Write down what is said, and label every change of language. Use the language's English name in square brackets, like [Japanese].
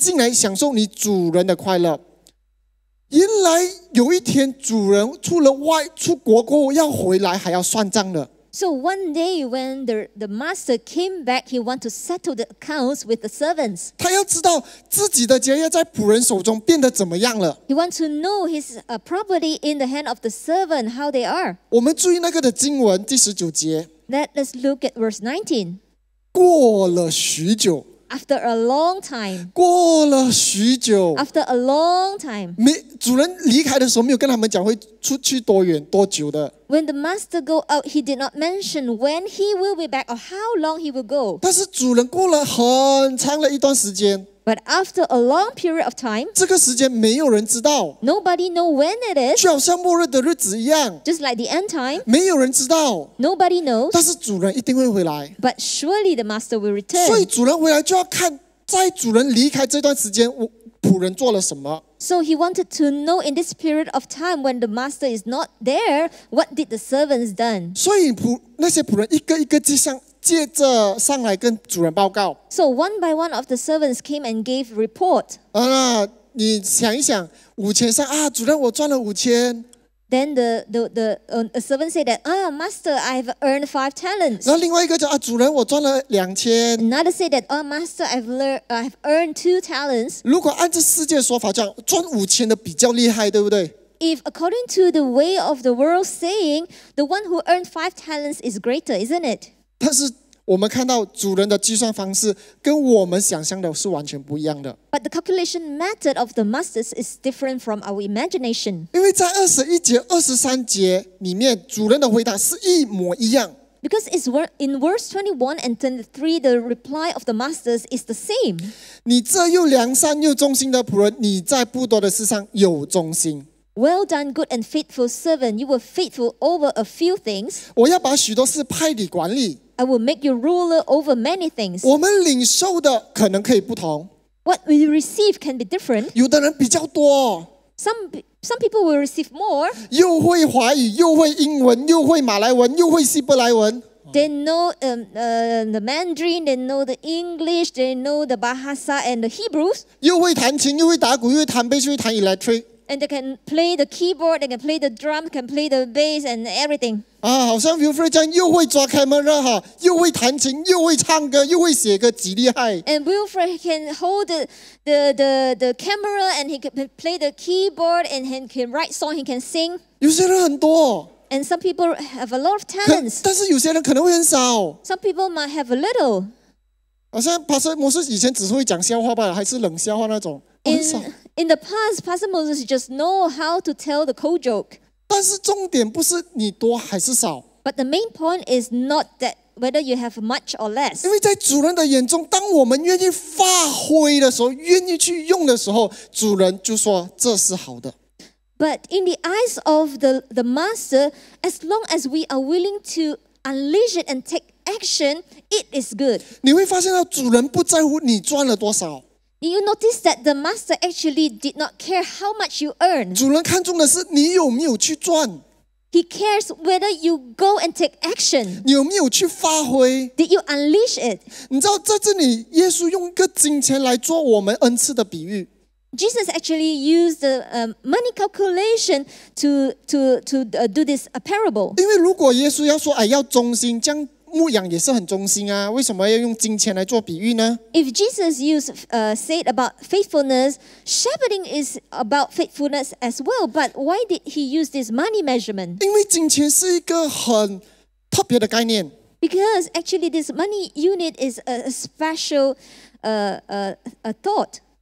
[Chinese] 你在不多的事上有忠心，我要把许多事派你管理，可以进来享受你主人的快乐。那领2000的也来说：“主啊，你交给我2000银子，请看，我又赚了2000。”主人说：“好，你这又良善又忠心的仆人，你在不多的事上有忠心，我要把许多事派你管理，可以进来享受你主人的快乐。” 原来有一天，主人除了外出国过，要回来还要算账的。 [English] So one day when the master came back, he wanted to settle the accounts with the servants. [Chinese] 他要知道自己的家业在仆人手中变得怎么样了。 [English] He wants to know his property in the hand of the servant, how they are. [Chinese] 我们注意那个的经文第19节。 [English] Let us look at verse 19. [Chinese] 过了许久。 [English] After a long time. [Chinese] 过了许久, [English] after a long time. [Chinese] 主人离开的时候没有跟他们讲会出去多远多久的。 [English] When the master go out, he did not mention when he will be back or how long he will go. [Chinese] 但是主人过了很长的一段时间。 [English] But after a long period of time, [Chinese] 这个时间没有人知道。 [English] Nobody know when it is. [Chinese] 就好像末日的日子一样。 [English] Just like the end time. [Chinese] 没有人知道。 [English] Nobody knows. [Chinese] 但是主人一定会回来。 [English] But surely the master will return. [Chinese] 所以主人回来就要看。在主人离开这段时间，仆人做了什么？ [English] So he wanted to know in this period of time when the master is not there, what did the servants done? [Chinese] 所以那些仆人一个一个就像借着上来跟主人报告。 [English] So one by one of the servants came and gave report. [Chinese] 你想一想，五千上啊，主人我赚了五千。 [English] Then the servant said that, oh, master, I've earned 5 talents. [Chinese] 然后另外一个就啊，主人，我赚了2000。 [English] Another said that, oh, master, I've earned 2 talents. [Chinese] 如果按照世界说法讲，赚五千的比较厉害，对不对？ [English] If according to the way of the world saying, the one who earned 5 talents is greater, isn't it? [Chinese] 但是我们看到主人的计算方式跟我们想象的是完全不一样的。 [English] But the calculation method of the masters is different from our imagination. [Chinese] 因为在21节、23节里面，主人的回答是一模一样。 [English] Because it's in verse 21 and 23, the reply of the masters is the same. [Chinese] 你这又良善又忠心的仆人，你在不多的事上有忠心。 [English] Well done, good and faithful servant. You were faithful over a few things. [Chinese] 我要把许多事派你管理。 [English] I will make you ruler over many things. [Chinese] 我们领受的可能可以不同。 [English] What we receive can be different. [Chinese] 有的人比较多。 [English] Some people will receive more. [Chinese] 又会华语，又会英文，又会马来文，又会希伯来文。 [English] They know the Mandarin, they know the English, they know the Bahasa and the Hebrews. [Chinese] 又会弹琴，又会打鼓，又会弹贝斯，又会弹 electric。 [English] And they can play the keyboard, they can play the drum, can play the bass and everything. [Chinese] 啊，好像 Wilfred 这样又会抓 camera 哈，又会弹琴，又会唱歌，又会写歌，极厉害。 [English] And Wilfred can hold the camera and he can play the keyboard and he can write song, he can sing. [Chinese] 有些人很多。 [English] And some people have a lot of talents. [Chinese] 但是有些人可能会很少。 [English] Some people might have a little. [Chinese] 好像 Pastor Moses 以前只是会讲笑话吧，还是冷笑话那种，很少。 [English] In the past, Pastor Moses just know how to tell the cold joke. [Chinese] 但是重点不是你多还是少。 [English] But the main point is not that whether you have much or less. [Chinese] 因为在主人的眼中，当我们愿意发挥的时候，愿意去用的时候，主人就说这是好的。 [English] But in the eyes of the master, as long as we are willing to unleash it and take action, it is good. [Chinese] 你会发现到主人不在乎你赚了多少。 [English] You notice that the master actually did not care how much you earn. [Chinese] 主人看重的是你有没有去赚。 [English] He cares whether you go and take action. [Chinese] 你有没有去发挥。 [English] Did you unleash it? [Chinese] 你知道在这里，耶稣用一个金钱来做我们恩赐的比喻。 [English] Jesus actually used the money calculation to do this parable. [Chinese] 因为如果耶稣要说哎要忠心，这样牧养也是很忠心啊，为什么要用金钱来做比喻呢？ [English] If Jesus used, said about faithfulness, shepherding is about faithfulness as well. But why did he use this money measurement? [Chinese] 因为金钱是一个很特别的概念。 [English] Because actually this money unit is a special a thought.